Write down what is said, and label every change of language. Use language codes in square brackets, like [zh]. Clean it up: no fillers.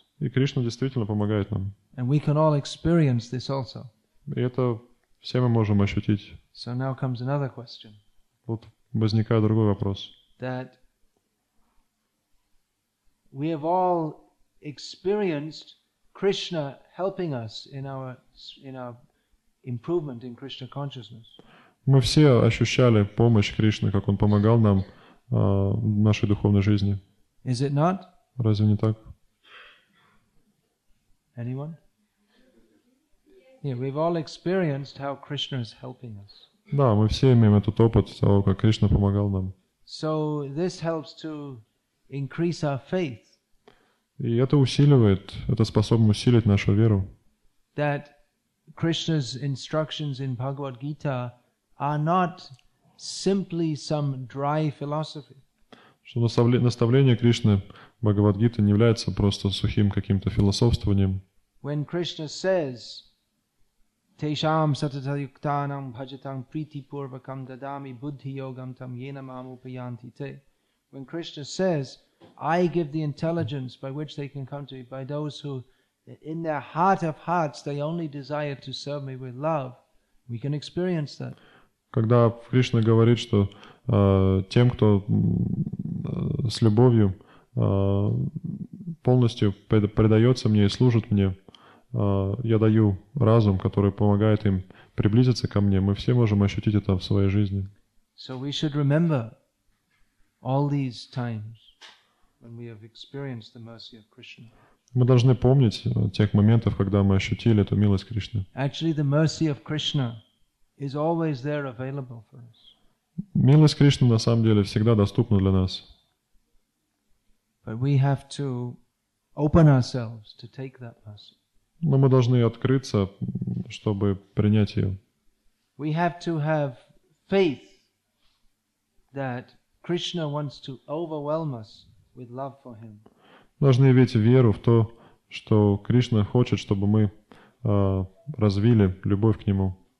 [ru] И Кришна действительно помогает нам. [en] And we can all experience this also. [ru] И это все мы можем ощутить. [en] So now comes another question. [ru] Вот возникает другой вопрос. [en] That we have all experienced Krishna helping us in our improvement in Krishna consciousness. [ru] Мы все ощущали помощь Кришны, как Он помогал нам в нашей духовной жизни. [en] Is it not? [ru] Разве не так? [en] Anyone? Yeah, we've all experienced how Krishna is helping us. [ru] Да, мы все имеем этот опыт того, как Кришна помогал нам. [en] So this helps to increase our faith. [ru] И это усиливает, это способно усилить нашу веру. [en] That Krishna's instructions in Bhagavad Gita are not simply some dry philosophy. [ru] Что наставление Кришны Бхагавад Гита не является просто сухим каким-то философствованием. [en] When Krishna says, [sa] Tesham satatayuktanam bhajatam priti purvakam dadami buddhi yogam tam yenam amupayanti te. [en] When Krishna says, I give the intelligence by which they can come to me, by those who in their heart of hearts they only desire to serve me with love, we can experience that. [ru] Когда Кришна говорит, что тем, кто с любовью полностью предается мне и служит мне, я даю разум, который помогает им приблизиться ко мне, мы все можем ощутить это в своей жизни. [en] So we should remember all these times when we have experienced the mercy of Krishna. [ru] Мы должны помнить тех моментов, когда мы ощутили эту милость Кришны. [en] Actually, the mercy of Krishna is always there available for us. [ru] Милость Кришны на самом деле всегда доступна для нас. [en] But we have to open ourselves to take that mercy. [ru] Но мы должны открыться, чтобы принять ее. [en] We have to have faith that Krishna wants to overwhelm us with love for him. [ru] Должны иметь веру в то, что Кришна хочет, чтобы мы развили любовь к Нему.